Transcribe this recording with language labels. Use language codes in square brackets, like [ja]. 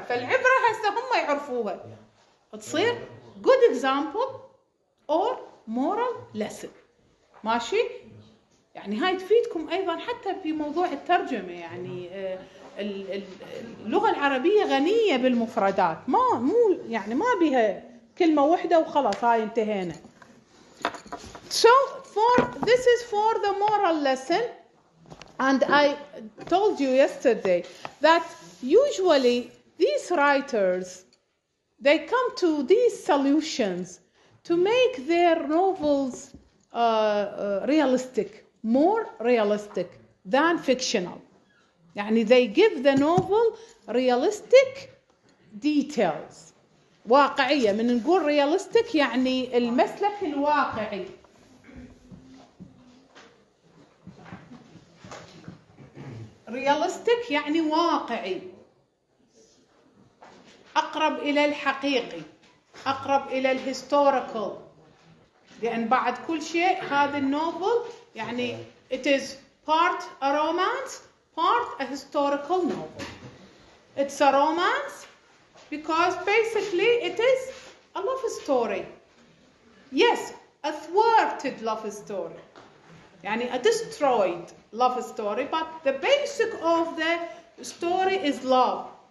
[ar] فالعبرة هسه هم يعرفوها تصير [en] good example or moral lesson. [ar] ماشي؟ يعني هاي تفيدكم أيضا حتى في موضوع الترجمة. يعني اللغة العربية غنية بالمفردات. ما مو يعني ما بها كلمة واحدة وخلاص هاي انتهينا. [en] So for this is for the moral lesson, and I told you yesterday that usually these writers they come to these solutions to make their novels realistic, more realistic than fictional. يعني they give the novel realistic details. واقعية. [ar] من نقول realistic يعني المسلك الواقعي. realistic يعني واقعي. أقرب إلى الحقيقي. أقرب إلى الهيستوريكال. لأن بعد كل شيء هذا النوفل يعني [en] it is part a romance. Part a historical novel. It's a romance because basically it is a love story. Yes, a thwarted love story. يعني a destroyed love story. But the basic of the story is love.